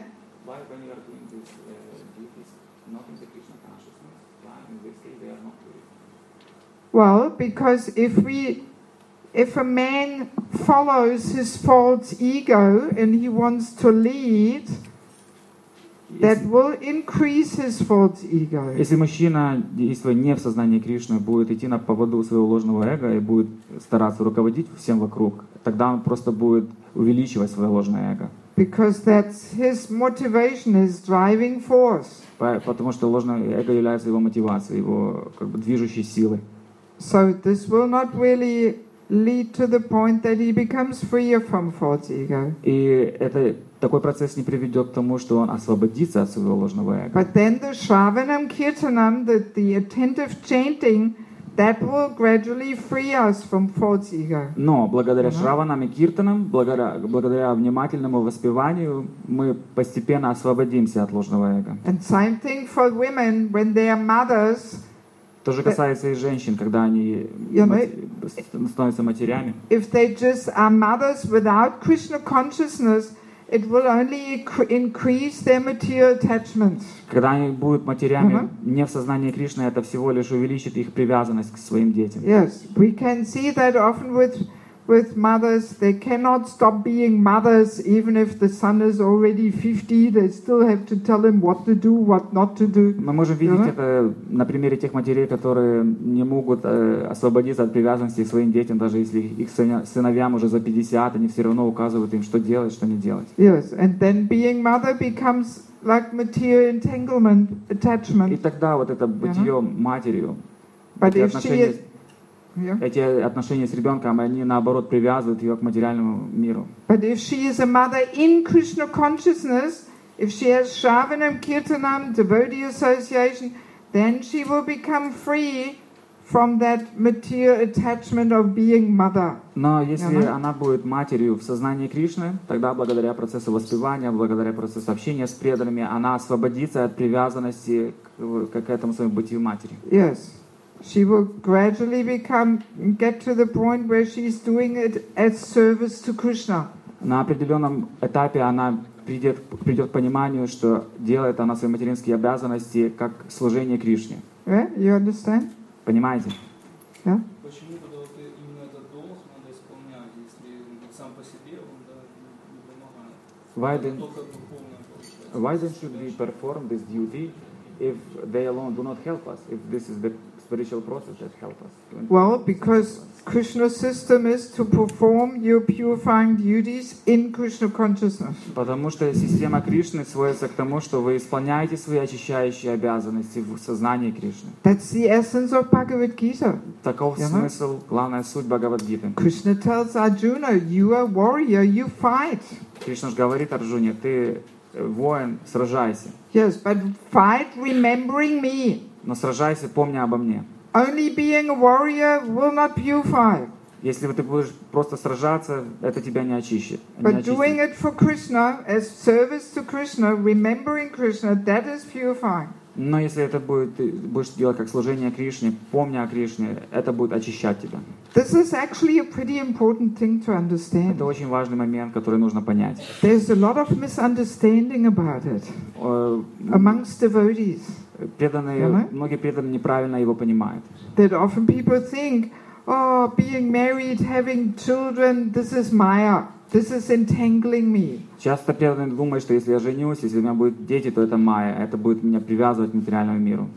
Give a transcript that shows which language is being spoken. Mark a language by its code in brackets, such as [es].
[en] Why when you are doing this duties, not in the Krishna consciousness, why in this case they are not purified? Well, because if a man follows his false ego and he wants to lead, that will increase his false ego. [ru] Если мужчина, действуя не в сознании Кришны, будет идти на поводу своего ложного эго и будет стараться руководить всем вокруг, тогда он просто будет увеличивать свое ложное эго. [en] Because that's his motivation, his driving force. [ru] Потому что ложное эго является его мотивацией, его как бы движущей силой. [en] So this will not really lead to the point that he becomes freer from false ego. [ru] И это такой процесс не приведет к тому, что он освободится от своего ложного эго. [en] But then the shravanam kirtanam, the attentive chanting, that will gradually free us from false ego. [ru] Но благодаря шраванам и киртанам, благодаря внимательному воспеванию, мы постепенно освободимся от ложного эго. [en] And same thing for women when they are mothers. [ru] То же касается и женщин, когда они становятся матерями. [en] If they just are mothers without Krishna consciousness, it will only increase their material attachments. [ru] Когда они будут матерями, не в сознании Кришны, это всего лишь увеличит их привязанность к своим детям. [en] Yes, we can see that often with mothers, they cannot stop being mothers, even if the son is already 50, they still have to tell him what to do, what not to do. [ru] Мы можем видеть это на примере тех матерей, которые не могут освободиться от привязанности к своим детям, даже если их сыновьям уже за 50, они все равно указывают им, что делать, что не делать. [en] Yes, and then being mother becomes like material entanglement, attachment. [ru] И тогда вот это бытие матерью, [en] but if she is, [ru] эти отношения с ребенком, они наоборот привязывают ее к материальному миру. [en] But if she is a mother in Krishna consciousness, if she has Shravanam Kirtanam, devotee association, then she will become free from that material attachment of being mother. [ru] Но если она будет матерью в сознании Кришны, тогда благодаря процессу воспевания, благодаря процессу общения с преданными, она освободится от привязанности к этому своему бытию матери. [en] Yes. She will gradually become get to the point where she is doing it as service to Krishna. [ru] На определенном этапе она придет к пониманию, что делает она свои материнские обязанности как служение Кришне. [en] Yeah, you understand? [ru] Понимаете? Да? Почему тогда вот именно этот долг надо исполнять, если он сам по себе, он да, не помогает? [en] Why then should we perform this duty if they alone do not help us, if this is the spiritual process that helps us? Well, because Krishna's system is to perform your purifying duties in Krishna consciousness. [ru] Потому что система Кришны сводится к тому, что вы исполняете свои очищающие обязанности в сознании Кришны. [en] That's the essence of Bhagavad Gita. [ru] Таков смысл, главная суть Бхагавад-гиты. [en] Krishna tells Arjuna, you are warrior, you fight. [ru] Кришна говорит Арджуне, ты воин, сражайся. [en] Yes, but fight remembering me. [ru] Но сражайся, помня обо мне. [en] Only being a warrior will not purify. [ru] Если ты будешь просто сражаться, это тебя не очищает. [en] But doing it for Krishna, as service to Krishna, remembering Krishna, that is purifying. [ru] Но если это будет, будешь делать как служение Кришне, помня о Кришне, это будет очищать тебя. [en] This is actually a pretty important thing to understand. [ru] Это очень важный момент, который нужно понять. [en] There's a lot of misunderstanding about it amongst devotees. [ru] Преданные, многие преданные неправильно его понимают. [en] That often people think, oh, being married, having children, this is Maya, this is entangling me. [ru] Часто преданные думают, что если я женюсь, если у меня будут дети, то это Maya, это будет меня привязывать к материальному миру.